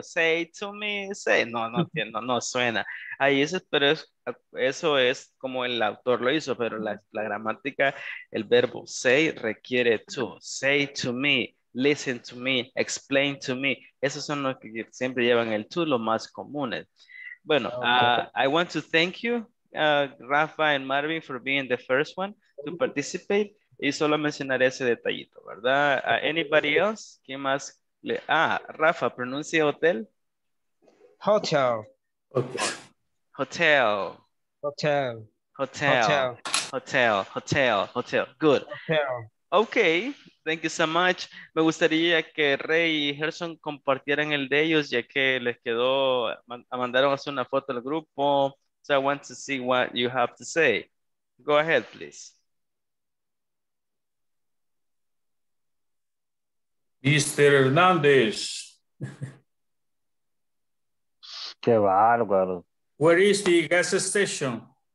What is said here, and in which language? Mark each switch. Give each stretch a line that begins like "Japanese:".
English: Say to me, say.
Spanish: No suena. Ahí eso, pero eso es como el autor lo hizo, pero la gramática, el verbo say requiere to.
English: Say to me. Listen to me, explain to me.
Spanish: Esos son los que siempre llevan el tú, los más comunes.
English: Bueno, I want to thank you, Rafa and Marvin, for being the first one to participate.
Spanish: Y solo mencionaré ese detallito, ¿verdad?
English: Anybody else?
Spanish: ¿Quién más? Rafa, pronuncia hotel.
English: Hotel. Hotel. Hotel. Hotel. Hotel. Hotel. Hotel. Good. Hotel. Okay. Thank you so much.
Spanish: Me gustaría que Rey y Gerson compartieran el de ellos, ya que les quedó, mandaron hacer una foto al grupo.
English: So I want to see what you have to say. Go ahead, please. Mr. Hernandez.
Spanish: Qué bárbaro.
English: Where is the gas station?